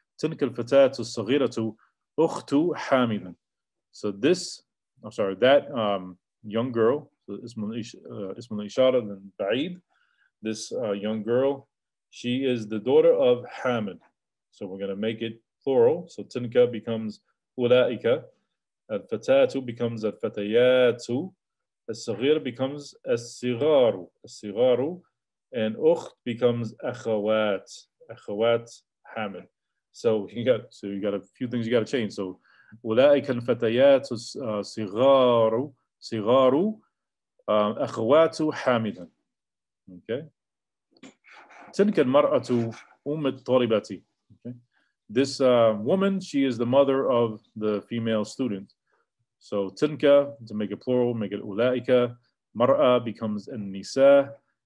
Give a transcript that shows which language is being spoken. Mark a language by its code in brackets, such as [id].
[ar] تلك الفتاة الصغيرة أخت حامد. [en] So this, I'm sorry, that young girl, [ar] اسم الإشارة بعيد, [en] this young girl, she is the daughter of حامد. So we're going to make it plural. So تلك becomes أولئك. [ar] الفتاة becomes الفتيات. الصغير becomes الصغار. الصغار [en] And أخت becomes أخوات. [ar] أخوات حامل. [en] So you got a few things you got to change. [ar] So أولائك الفتيات صغار صغار أخوات حامل. Okay. تلك المرأة أم الطالبة. Okay. [en] This woman, she is the mother of the female student. So تلك, to make it plural, make it أولائك. [ar] مرأة becomes النساء.